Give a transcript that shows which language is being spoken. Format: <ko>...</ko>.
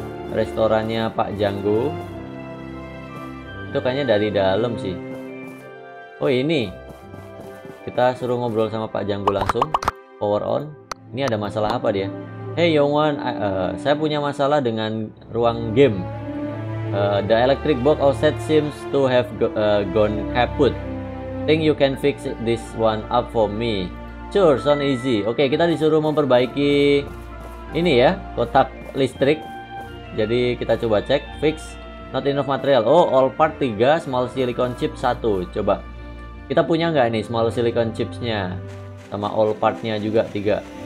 <id>Restorannya Pak Janggu. Itu kayaknya dari dalam sih. Oh, ini. Kita suruh ngobrol sama Pak Janggu langsung. Power on. Ini ada masalah apa dia? Hey Yongwan, saya punya masalah dengan ruang game.</id> <en>The electric box outside seems to have gone kaput. Think you can fix this one up for me? Sure, so easy.</en> <id>Oke, kita disuruh memperbaiki ini ya, kotak listrik. Jadi kita coba cek,</id> <en>fix. Not enough material. Oh, all part 3, small silicon chip 1.</en> <id>Coba, kita punya nggak nih small silicon chips-nya? Sama all part-nya juga 3.</id>